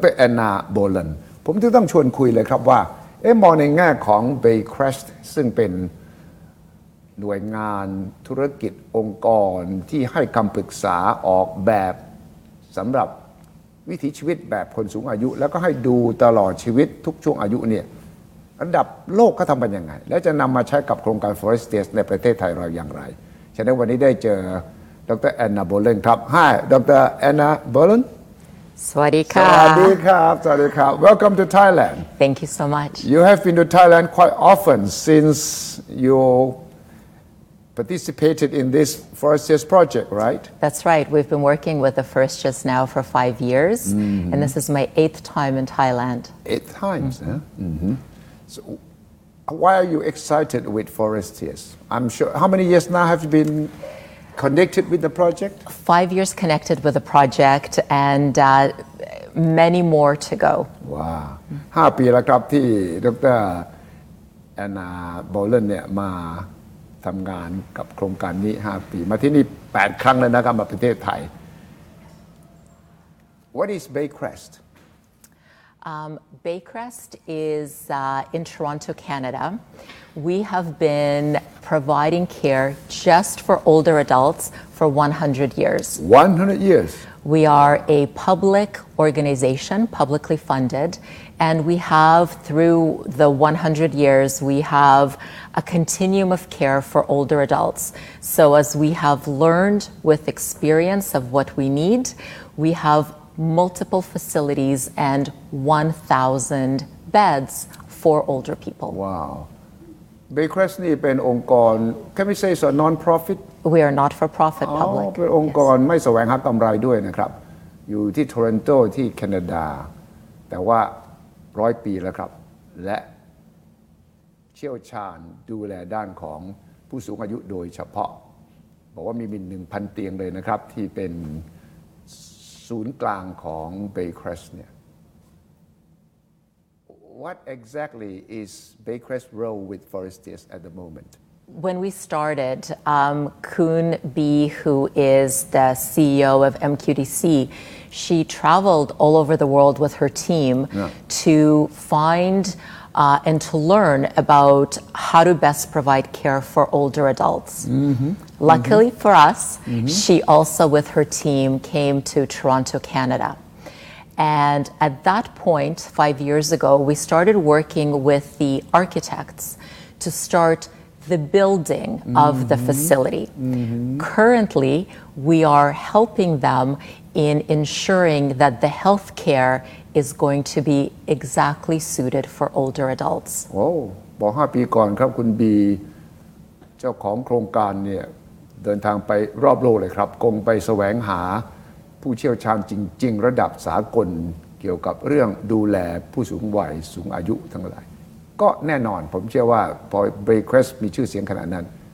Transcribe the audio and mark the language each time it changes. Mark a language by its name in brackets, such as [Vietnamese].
[Thai] แอนนาโบลันผมจึงต้องชวนคุยเลยครับว่ามองในแง่ของ Baycrest ซึ่งเป็นหน่วยงานธุรกิจองค์กรที่ให้คำปรึกษาออกแบบสำหรับวิถีชีวิตแบบคนสูงอายุแล้วก็ให้ดูตลอดชีวิตทุกช่วงอายุเนี่ยระดับโลกเขาทำเป็นยังไงแล้วจะนำมาใช้กับโครงการ Forestias ในประเทศไทยเราอย่างไรฉะนั้นวันนี้ได้เจอดร. แอนนาโบลันครับ Hi ดร. แอนนาโบลัน สวัสดีค่ะ สวัสดีครับสวัสดีครับ [English] Welcome to Thailand Thank you so much You have been to Thailand quite often since you participated in this Forestias project, right? That's right. We've been working with the Forestias now for 5 years, mm-hmm. and this is my 8th time in Thailand. 8 times, mm-hmm. huh? Mm-hmm. So, why are you excited with Forestias? I'm sure. How many years now have you been? Connected with the project? 5 years connected with the project and many more to go. [Thai] Wow. 5 ปีแล้วครับที่ดร. แอนนาโบลันเนี่ยมาทำงานกับโครงการนี้5ปีมาที่นี่8ครั้งแล้วนะครับมาประเทศไทย [English] What is Baycrest? Baycrest is in Toronto, Canada. We have been providing care just for older adults for 100 years. 100 years. We are a public organization, publicly funded, and we have through the 100 years, we have a continuum of care for older adults. So as we have learned with experience of what we need, we have multiple facilities and 1,000 beds for older people. Wow. Baycrest [Thai] นี่เป็นองค์กร [English] Can we say it's a non-profit? We are not for profit public. [Thai] เป็นองค์กรไม่แสวงหากำไรด้วยนะครับอยู่ที่โทรอนโตที่แคนาดาแต่ว่า100ปีแล้วครับและเชี่ยวชาญดูแลด้านของผู้สูงอายุโดยเฉพาะบอกว่ามีมิน 1,000 เตียงเลยนะครับที่เป็นศูนย์กลางของ Baycrest เนี่ย [English] What exactly is Baycrest's role with Forestias at the moment? When we started, Kun B, who is the CEO of MQDC, she traveled all over the world with her team yeah. to find and to learn about how to best provide care for older adults. Mm-hmm. Luckily mm-hmm. for us, mm-hmm. she also with her team came to Toronto, Canada. And at that point, 5 years ago, we started working with the architects to start the building of the facility. Currently, we are helping them in ensuring that the health care is going to be exactly suited for older adults. [Thai] บอก5ปีก่อนครับคุณบีเจ้าของโครงการเนี่ยเดินทางไปรอบโลกเลยครับคงไปแสวงหาผู้เชี่ยวชาญจริงๆระดับสากลเกี่ยวกับเรื่องดูแลผู้สูงวัยสูงอายุทั้งหลายก็แน่นอนผมเชื่อว่าพอ Baycrest มีชื่อเสียงขนาดนั้น